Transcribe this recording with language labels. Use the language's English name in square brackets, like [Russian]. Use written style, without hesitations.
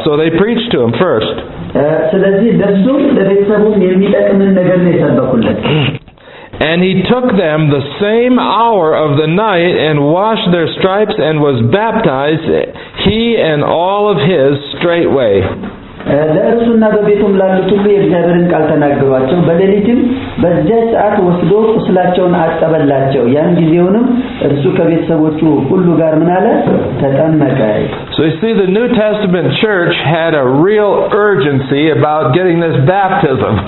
[English] So they preached to him first. And he took them the same hour of the night and washed their stripes and was baptized, he and all of his straightway. [Amharic] ለእርሱና በቤቱም ላሉት ሁሉ የእግዚአብሔርን ቃል ተናገሯቸው። በሌሊትም በዚያ ሰዓት ወስዶ ቁስላቸውን አጠበላቸው። ያን ጊዜውንም እርሱ ከቤተሰቦቹ ሁሉ ጋር ምን አለ? ተጠመቀ። [English] So you see, the New Testament church had a real urgency about getting this baptism.